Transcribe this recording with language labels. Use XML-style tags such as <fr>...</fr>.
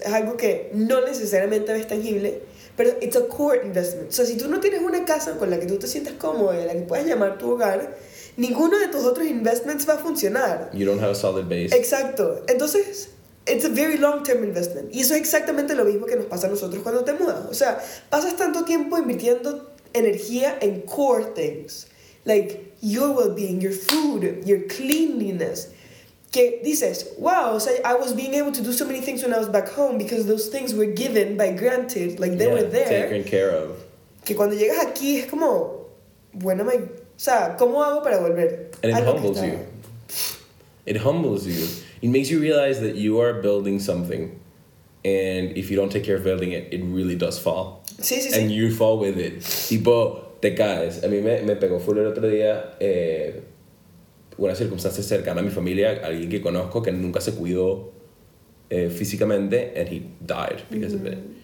<es>Es algo que no necesariamente es tangible, pero</es> <en>it's a core investment.</en> <es>O sea, si tú no tienes una casa con la que tú te sientas cómodo, la que puedes llamar tu hogar, ninguno de tus otros investments va a funcionar.</es> <en>You don't have a solid base.</en> <es>Exacto. Entonces,</es> <en>it's a very long term investment.</en> <es>Y eso es exactamente lo mismo que nos pasa a nosotros cuando te mudas. O sea, pasas tanto tiempo invirtiendo energía en</es> <en>core things, like your well-being, your food, your cleanliness,</en> <es>que dices,</es> <en>wow, so I was being able to do so many things when I was back home because those things were given by granted, like they were there. Taken care of.</en> <es>Que cuando llegas aquí es como, bueno, my, o sea, ¿cómo hago para volver?</es> <en>And it humbles you. It humbles you. It makes you realize that you are building something, and if you don't take care of building it, it really does fall.</en> <es>Sí, sí, sí.</es> <en>And you fall with it.</en> <es>Tipo, te caes. A mí me pegó full el otro día una circunstancia cercana a mi familia, alguien que conozco que nunca se cuidó físicamente,</es> <en>and he died because of it.</en>